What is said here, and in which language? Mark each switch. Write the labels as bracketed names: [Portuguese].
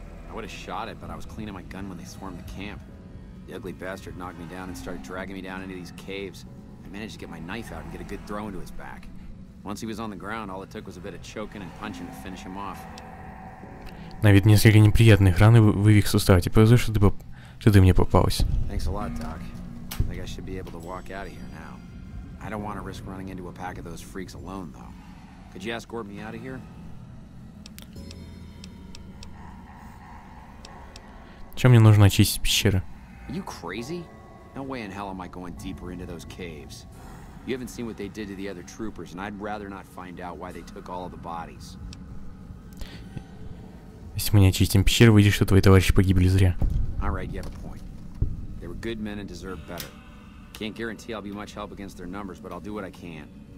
[English] I would have shot it, but I was cleaning my gun when they swarmed the camp. The ugly bastard knocked me down and started dragging me down into these caves. I managed to get my knife out and get a good throw into his back. Once he was on the ground, all it took was a bit of choking and punching to finish him off. [Russian] На вид несколько неприятных ран и вывих сустава. Типа, за что ты мне попалась? [English] Thanks a lot, Doc. I think I should be able to walk out of here now. I don't want to risk running into a pack of those freaks alone, though. Could you escort me out of here? [Russian] Чем мне нужно очистить пещеры? [English] Are you crazy? No way in hell am I going deeper into those caves. You haven't seen what they did to the other troopers, and I'd rather not find out why they took all of the bodies. [Russian] Если мы не очистим пещеры, выйдет, что твои товарищи погибли зря. [English] All right, you have a point. They were good men and deserved better. Can't guarantee I'll be much help against their numbers, but I'll do what I can.